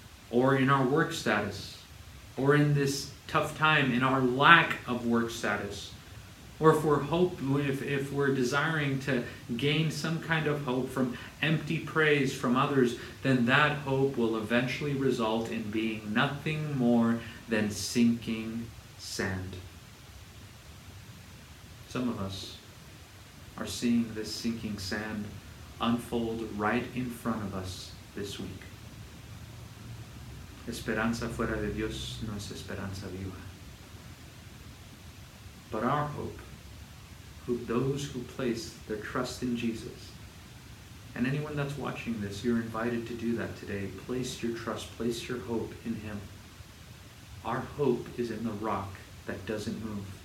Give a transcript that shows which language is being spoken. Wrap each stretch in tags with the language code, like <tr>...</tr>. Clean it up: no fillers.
<en>or in our work status or in this tough time in our lack of work status, or if we're desiring to gain some kind of hope from empty praise from others, then that hope will eventually result in being nothing more than sinking sand. Some of us are seeing this sinking sand unfold right in front of us this week.</en> <es>Esperanza fuera de Dios no es esperanza viva.</es> <en>But our hope, who those who place their trust in Jesus, and anyone that's watching this, you're invited to do that today. Place your trust, place your hope in Him. Our hope is in the rock that doesn't move.</en>